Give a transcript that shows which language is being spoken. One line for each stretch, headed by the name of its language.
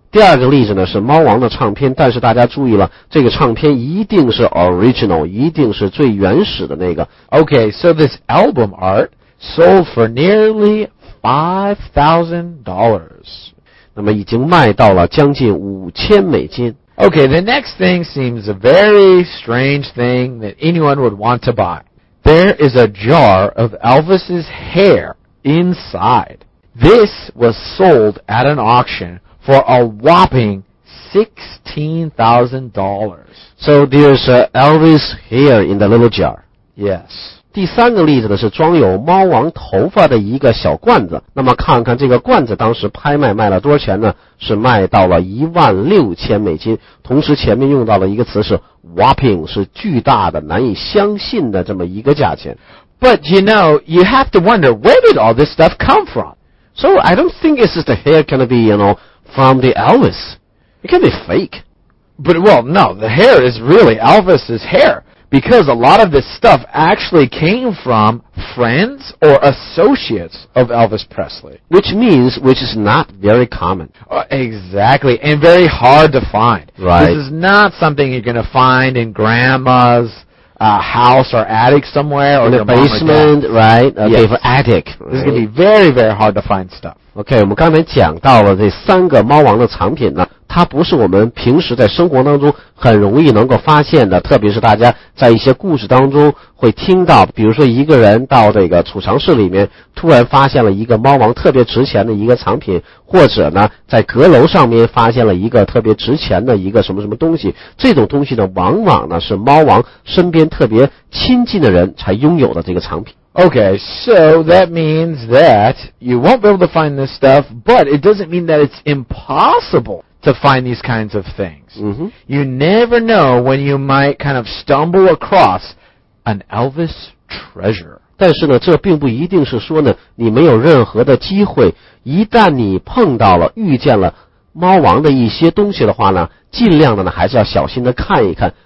Chinese: 第二个例子呢是猫王的唱片，但是大家注意了，这个唱片一定是 original， 一定是最原始的那个。
English: Okay, so this album art sold for nearly $5,000.
Chinese: 那么已经卖到了将近$5,000。
English: Okay, the next thing seems a very strange thing that anyone would want to buy. There is a jar of Elvis's hair inside. This was sold at an auction. For a whopping $16,000. So there's Elvis hair in the little jar. Yes.
Chinese: 第三个例子呢是装有猫王头发的一个小罐子。那么看看这个罐子当时拍卖卖了多少钱呢？是卖到了$16,000。同时前面用到了一个词是 whopping， 是巨大的、难以相信的这么一个价钱。
English: But you know, you have to wonder where did all this stuff come from. So I don't think it's just the hair can be, you know. From the Elvis. It can be fake. But, well, no, the hair is really Elvis's hair. Because a lot of this stuff actually came from friends or associates of Elvis Presley. Which is not very common. Exactly, and very hard to find. Right. This is not something you're going to find in grandma's house or attic somewhere. Or in the basement, right? A bit of an attic. This is going to be very, very hard to find stuff.
Chinese: OK, 我们刚才讲到了这三个猫王的藏品呢，它不是我们平时在生活当中很容易能够发现的，特别是大家在一些故事当中会听到，比如说一个人到这个储藏室里面突然发现了一个猫王特别值钱的一个藏品，或者呢在阁楼上面发现了一个特别值钱的一个什么什么东西，这种东西呢往往呢是猫王身边特别亲近的人才拥有的这个藏品。
English: Okay, so that means that you won't be able to find this stuff, but it doesn't mean that it's impossible to find these kinds of things. Mm-hmm. You never know when you might kind of stumble across an Elvis treasure.
Chinese: 但是呢，这并不一定是说呢，你没有任何的机会。一旦你碰到了、遇见了猫王的一些东西的话呢，尽量的呢，还是要小心的看一看。